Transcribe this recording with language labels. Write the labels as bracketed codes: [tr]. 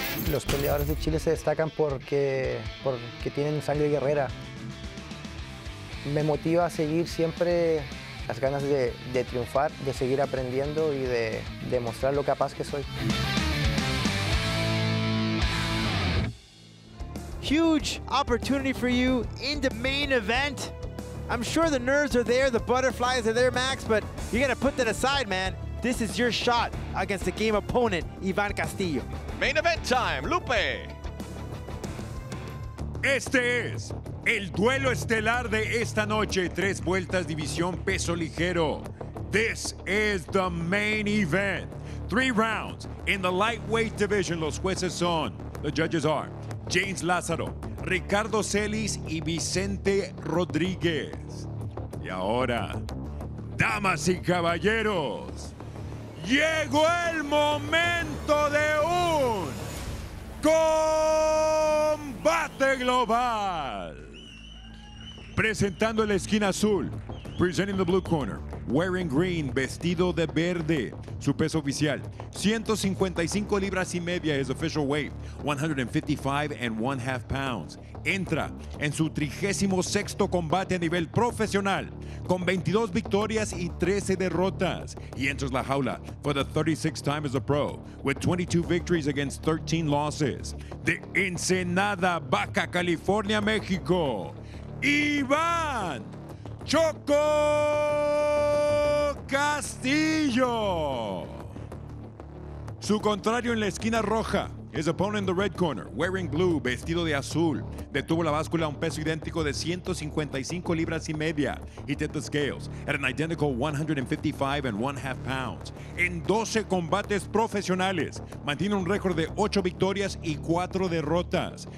[es] Los peleadores de Chile se destacan porque tienen sangre guerrera. Me motiva a seguir siempre las ganas de triunfar, de seguir aprendiendo y de demostrar lo capaz que soy. [en] Huge opportunity for you in the main event. I'm sure the nerves are there, the butterflies are there, Max, but you gotta put that aside, man. This is your shot against the game opponent, Ivan Castillo. Main event time, Lupe. [es] Este es el duelo estelar de esta noche. 3 vueltas, división peso ligero. [en] This is the main event. 3 rounds in the lightweight division. [es] Los jueces son, [en] the judges are, James Lázaro, [es] Ricardo Celis y Vicente Rodríguez. Y ahora, damas y caballeros, llegó el momento de un combate global. Presentando la esquina azul, [en] presenting the blue corner, wearing green, [es] vestido de verde, su peso oficial, 155 libras y media, [en] his official weight, 155 and one half pounds. [es] Entra en su 36º combate a nivel profesional, con 22 victorias y 13 derrotas. [en] He enters la jaula for the 36th time as a pro, with 22 victories against 13 losses. [es] De Ensenada, Baja California, México, Iván Choco Castillo. Su contrario en la esquina roja, [en] his opponent in the red corner, wearing blue, [es] vestido de azul, detuvo la báscula a un peso idéntico de 155 libras y media. [en] He tipped the scales at an identical 155 and one half pounds. [es] En 12 combates profesionales, mantiene un récord de 8 victorias y 4 derrotas.